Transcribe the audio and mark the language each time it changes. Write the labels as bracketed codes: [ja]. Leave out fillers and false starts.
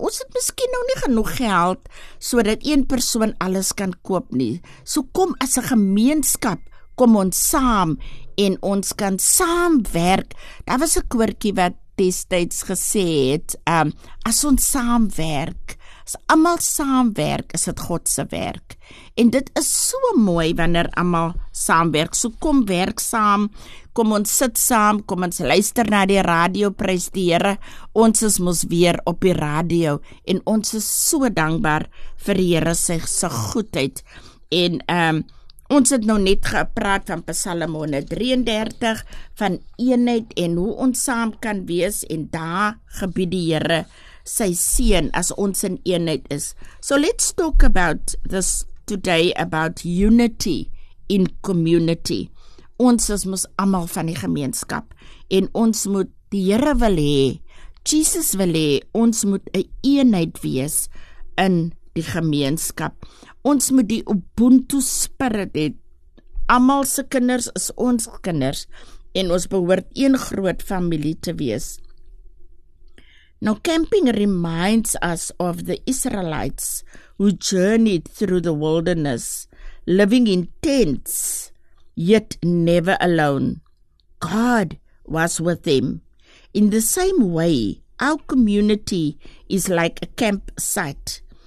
[af] Ons het miskien nou nie genoeg geld so dat een persoon alles kan koop nie. So kom as 'n gemeenskap, kom ons saam en ons kan saamwerk. Daar was 'n koortjie wat destyds gesê het, as ons saamwerk, as almal saamwerk, is dit God se werk. En dit is so mooi wanneer almal saamwerk. So kom werk saam, kom ons sit saam, kom ons luister na die radio, prys die Here. Ons is mos weer op die radio en ons is so dankbaar vir die Here se goedheid. En ons het nou net gepraat van Psalm 133 van eenheid en hoe ons saam kan wees en daar gebied die Here sy seën as ons in eenheid is. [en] So let's talk about this today about unity in community. [af] Ons is mos almal van die gemeenskap en ons moet die Here wil hê. Jesus wil hê ons moet 'n eenheid wees in die gemeenskap. Ons moet die Ubuntu spirit hê. Almal se kinders is ons kinders en ons behoort een groot familie te wees. [en] Now camping reminds us of the Israelites who journeyed through the wilderness, living in tents, yet never alone. God was with them. In the same way, our community is like a campsite.